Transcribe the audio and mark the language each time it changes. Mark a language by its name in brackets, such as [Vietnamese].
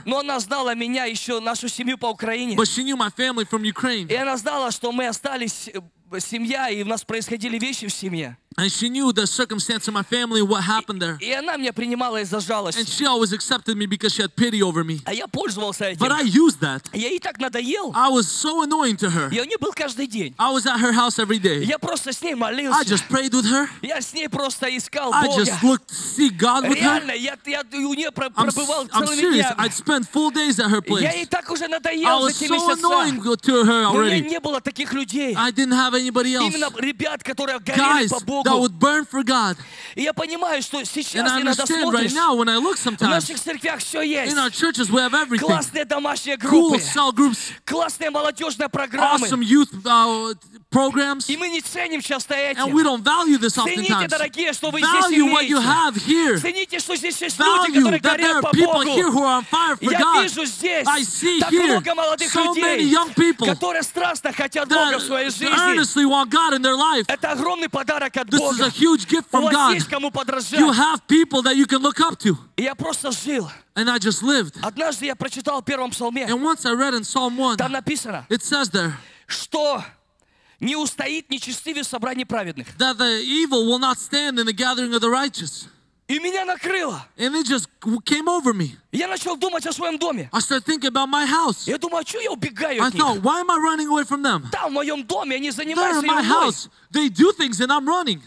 [Russian] Но она знала меня еще нашу семью по Украине. [English] But she knew my family from Ukraine. [Russian] И она знала, что мы остались семья, и у нас происходили вещи в семье. [English] And she knew the circumstance of my family, what happened there. [Russian] И она меня принимала из-за жалости. [English] And she always accepted me because she had pity over me. [Russian] А я пользовался этим. [English] But I used that. [Russian] Я ей так надоел. [English] I was so annoying to her. [Russian] Я у нее был каждый день. [English] I was at her house every day. [Russian] Я просто с ней молился. [English] I just prayed with her. [Russian] Я с ней просто искал Бога. [English] I just looked to see God with her. [Russian] Реально, я у нее пробывал целыми днями. [English] I'm serious. I'd spend full days at her place. [Russian] Я ей так уже надоел за эти месяца. [English] I was so annoying to her already. [Russian] У меня не было таких людей. [English] I didn't have anybody else. [Russian] Именно ребят, которые горели по Богу. [English] That would burn for God. [Russian] И я понимаю, что сейчас [English] And I understand right now when I look sometimes. [Russian] В наших церквях все есть. [English] In our churches we have everything. [Russian] Классные домашние группы. [English] Cool cell groups. [Russian] Классные молодежные программы. [English] Awesome youth programs. [Russian] И мы не ценим часто эти. [English] And we don't value this often. [Russian] Цените, дорогие, что вы [English] value [Russian] здесь имеете. [English] Value what you have here. [Russian] Цените, что здесь есть люди, [English] value [Russian] которые горят по Богу. [English] That there are people here who are on fire for [Russian] я [English] God. [Russian] Я вижу здесь [English] I see here [Russian] так много молодых [English] so [Russian] людей, [English] many young people [Russian] которые страстно хотят Бога в своей жизни. [English] That earnestly want God in their life. [Russian] Это огромный подарок от [English] This is a huge gift from God. You have people that you can look up to. And I just lived. And once I read in Psalm 1, [Russian] написано, [English] it says there [Russian] что не устоит нечестивый в собрании праведных. [English] That the evil will not stand in the gathering of the righteous. [Russian] И меня накрыло. [English] And it just came over me. [Russian] Я начал думать о своем доме. [English] I started thinking about my house. [Russian] Я думаю, а чего я убегаю от них? [English] I thought, why am I running away from them? [Russian] Там, в моем доме, они занимаются ерундой. [English] There in my house, they do things and I'm running.